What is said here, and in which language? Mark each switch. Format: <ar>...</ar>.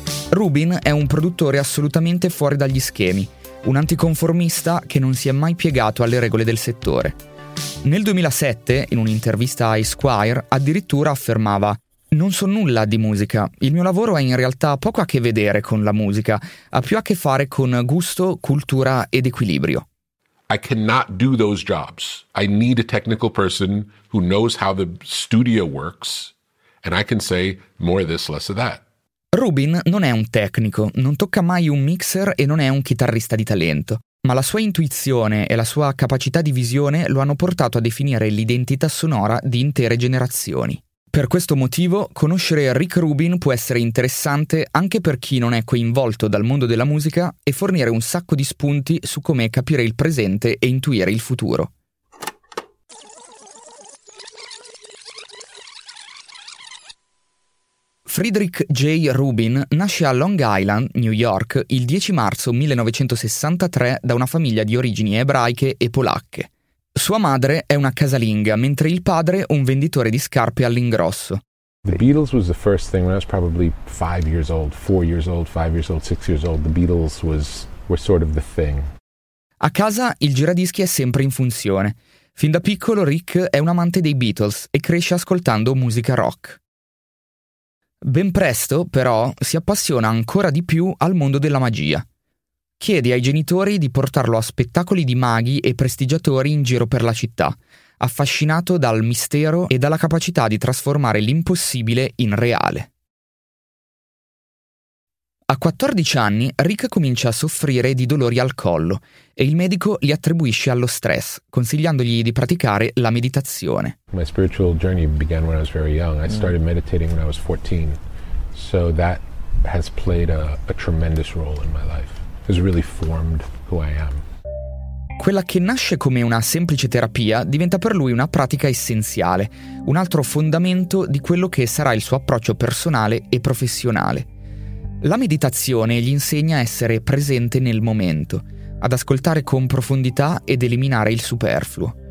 <it>Rubin è un produttore assolutamente fuori dagli schemi, un anticonformista che non si è mai piegato alle regole del settore. Nel 2007, in un'intervista a Esquire, addirittura affermava: «Non so nulla di musica, il mio lavoro ha in realtà poco a che vedere con la musica, ha più a che fare con gusto, cultura ed equilibrio».</it> <en>I cannot do those jobs. I need a technical person who knows how the studio works and I can say more of this, less of that.</en> <it>Rubin non è un tecnico, non tocca mai un mixer e non è un chitarrista di talento, ma la sua intuizione e la sua capacità di visione lo hanno portato a definire l'identità sonora di intere generazioni. Per questo motivo, conoscere Rick Rubin può essere interessante anche per chi non è coinvolto dal mondo della musica e fornire un sacco di spunti su come capire il presente e intuire il futuro. Friedrich J. Rubin nasce a Long Island, New York, il 10 marzo 1963 da una famiglia di origini ebraiche e polacche. Sua madre è una casalinga, mentre il padre un venditore di scarpe all'ingrosso.</it> <en>The Beatles was the first thing when I was probably 5 years old, 4 years old, 5 years old, 6 years old. The Beatles were sort of the thing.</en> <it>A casa il giradischi è sempre in funzione. Fin da piccolo Rick è un amante dei Beatles e cresce ascoltando musica rock. Ben presto, però, si appassiona ancora di più al mondo della magia. Chiede ai genitori di portarlo a spettacoli di maghi e prestigiatori in giro per la città, affascinato dal mistero e dalla capacità di trasformare l'impossibile in reale. A 14 anni Rick comincia a soffrire di dolori al collo e il medico li attribuisce allo stress, consigliandogli di praticare la meditazione.</it> <en>My spiritual journey began when I was very young. I started meditating when I was 14. So that has played a tremendous role in my life. Has really formed who I am.</en> <it>Quella che nasce come una semplice terapia diventa per lui una pratica essenziale, un altro fondamento di quello che sarà il suo approccio personale e professionale. La meditazione gli insegna a essere presente nel momento, ad ascoltare con profondità ed eliminare il superfluo.</it>